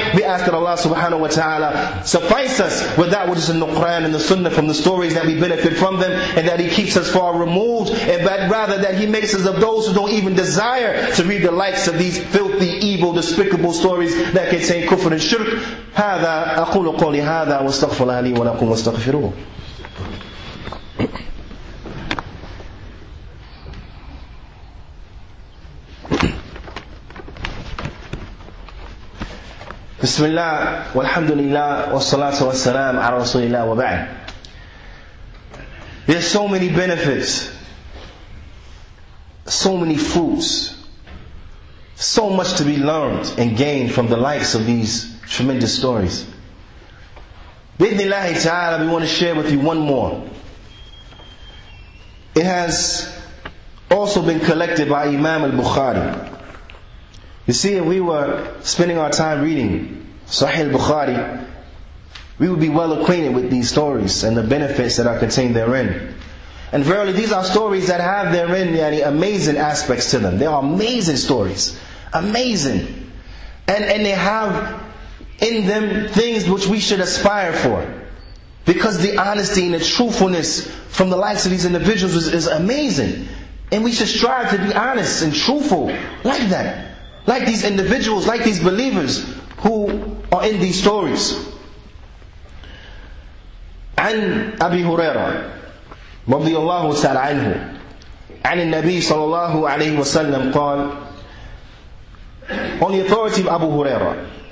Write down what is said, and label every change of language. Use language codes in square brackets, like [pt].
[en] We ask that Allah subhanahu wa ta'ala suffice us with that which is in the Quran and the Sunnah from the stories that we benefit from them. And that He keeps us far removed. And that rather that He makes us of those who don't even desire to read the likes of these filthy, evil, despicable stories that contain kufr and shirk. [ar] هذا أقول قولي هذا واستغفر الله لي ولكم واستغفروه. بسم الله والحمد لله والصلاة والسلام على رسول الله وبعد. [en] There are so many benefits. So many fruits, so much to be learned and gained from the likes of these tremendous stories. Bidnillahi ta'ala, we want to share with you one more. It has also been collected by Imam Al Bukhari. You see, if we were spending our time reading Sahih Al Bukhari, we would be well acquainted with these stories and the benefits that are contained therein. And verily, these are stories that have therein yani, amazing aspects to them. They are amazing stories. Amazing. And they have in them things which we should aspire for. Because the honesty and the truthfulness from the likes of these individuals is amazing. And we should strive to be honest and truthful like that. Like these individuals, like these believers who are in these stories. [ar] عن أبي هريرة رضي الله تعالى عنه عن النبي صلى الله عليه وسلم قال [en] on the authority of Abu Huraira